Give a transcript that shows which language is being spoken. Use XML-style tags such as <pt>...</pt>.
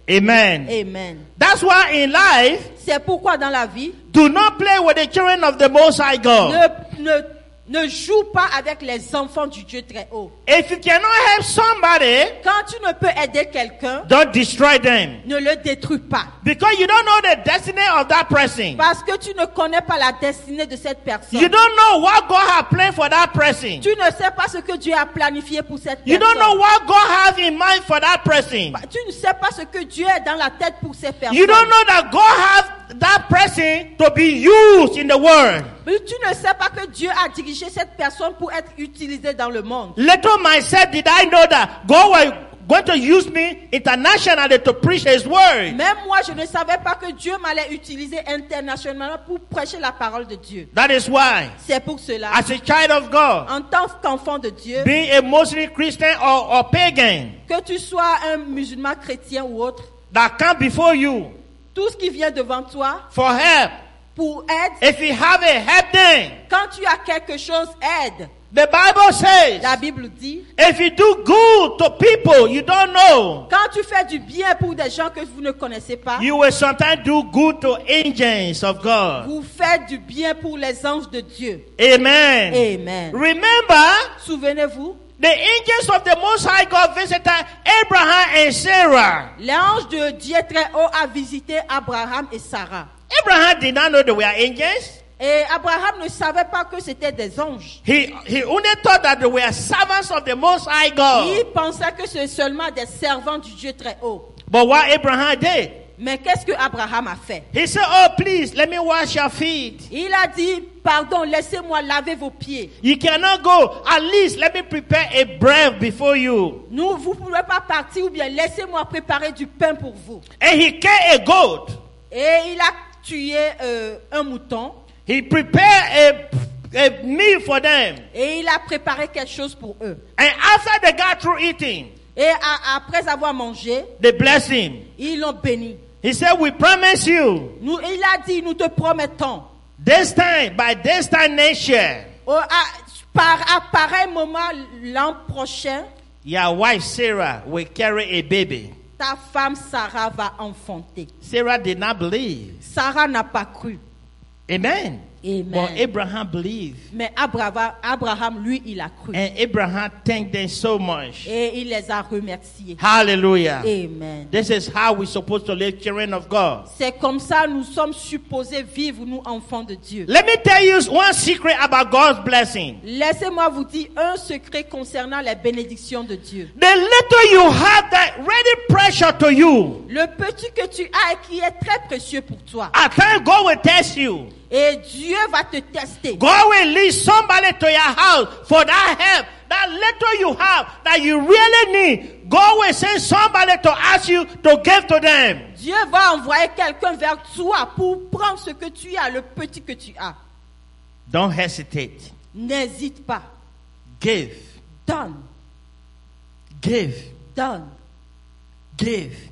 <en>Amen.</en> <fr>Amen.</fr> <en>That's why in life,</en> <fr>c'est pourquoi dans la vie,</fr> <en>do not play with the children of the Most High God.</en> <fr>Ne joue pas avec les enfants du Dieu très haut.</fr> <en>If you cannot help somebody,</en> <fr>quand tu ne peux aider quelqu'un,</fr> <en>don't destroy them.</en> <fr>Ne le détruis pas.</fr> <en>Because you don't know the destiny of that person.</en> <fr>Parce que tu ne connais pas la destinée de cette personne.</fr> <en>You don't know what God has planned for that person.</en> <fr>Tu ne sais pas ce que Dieu a planifié pour cette</fr> <en>you</en> <fr>personne.</fr> <en>You don't know what God has in mind for that person.</en> <fr>Tu ne sais pas ce que Dieu a dans la tête pour cette personne.</fr> <en>You don't know that God has that person to be used in the world.</en> <fr>Mais tu ne sais pas que Dieu a dirigé cette personne pour être utilisée dans le monde.</fr> <en>Little myself, did I know that God was going to use me internationally to preach His word?</en> <fr>Même moi, je ne savais pas que Dieu m'allait utiliser internationalement pour prêcher la parole de Dieu.</fr> <en>That is why.</en> <fr>C'est pour cela.</fr> <en>As a child of God.</en> <fr>En tant qu'enfant de Dieu.</fr> <en>Being a mostly Christian or pagan.</en> <fr>Que tu sois un musulman chrétien ou autre.</fr> <en>That come before you.</en> <fr>Tout ce qui vient devant toi.</fr> <en>For help.</en> <fr>Pour aide.</fr> <en>If you have a help then.</en> <fr>Quand tu as quelque chose, aide.</fr> <en>The Bible says.</en> <fr>La Bible dit.</fr> <en>If you do good to people you don't know.</en> <fr>Quand tu fais du bien pour des gens que vous ne connaissez pas.</fr> <en>You will sometimes do good to angels of God.</en> <fr>Vous faites du bien pour les anges de Dieu.</fr> <en>Amen.</en> <fr>Amen.</fr> <en>Remember.</en> <fr>Souvenez-vous.</fr> <en>The angels of the Most High God visited Abraham and Sarah.</en> <fr>L'ange de Dieu très haut a visité Abraham et Sarah.</fr> <en>Abraham did not know they were angels.</en> <fr>Et Abraham ne savait pas que c'était des anges.</fr> <en>He only thought that they were servants of the Most High God.</en> <fr>Il pensait que c'est seulement des servants du Dieu très haut.</fr> <en>But what Abraham did?</en> <fr>Mais qu'est-ce que Abraham a fait?</fr> <en>He said, "Oh, please, let me wash your feet."</en> <fr>Il a dit, "Pardon, laissez-moi laver vos pieds."</fr> <en>You cannot go. At least, let me prepare a bread before you.</en> <fr>Nous, vous pouvez pas partir ou bien laissez-moi préparer du pain pour vous.</fr> <en>And he killed a goat.</en> <fr>Et il a tué un mouton.</fr> <en>He prepared a meal for them.</en> <fr>Et il a préparé quelque chose pour eux.</fr> <en>And after they got through eating.</en> <fr>Et après avoir mangé,</fr> <en>they blessed him.</en> <fr>Ils l'ont béni.</fr> <en>He said, "We promise you."</en> <fr>Il a dit, "Nous te promettons."</fr> <en>This time, by this time next year.</en> <fr>À pareil moment l'an prochain.</fr> <en>Your wife Sarah will carry a baby.</en> <fr>Ta femme Sarah va enfanter.</fr> <en>Sarah did not believe.</en> <fr>Sarah n'a pas cru.</fr> <en>Amen.</en> <fr>Amen.</fr> <en>But Abraham believed.</en> <fr>Mais Abraham, lui, il a cru.</fr> <en>And Abraham thanked them so much.</en> <fr>Et il les a remerciés.</fr> <en>Hallelujah.</en> <fr>Amen.</fr> <en>This is how we're supposed to live, children of God.</en> <fr>C'est comme ça nous sommes supposés vivre, nous, enfants de Dieu.</fr> <en>Let me tell you one secret about God's blessing.</en> <fr>Laissez-moi vous dire un secret concernant les bénédictions de Dieu.</fr> <en>The little you have that really precious to you.</en> <fr>Le petit que tu as et qui est très précieux pour toi.</fr> <en>I think God will test you.</en> <fr>Et Dieu va te tester.</fr> <en>God will lead somebody to your house for that help, that little you have that you really need. God will send somebody to ask you to give to them.</en> <fr>Dieu va envoyer quelqu'un vers toi pour prendre ce que tu as, le petit que tu as.</fr> <en>Don't hesitate.</en> <fr>N'hésite pas.</fr> <en>Give.</en> <fr>Donne.</fr> <en>Give.</en> <fr>Donne.</fr> <en>Give.</en>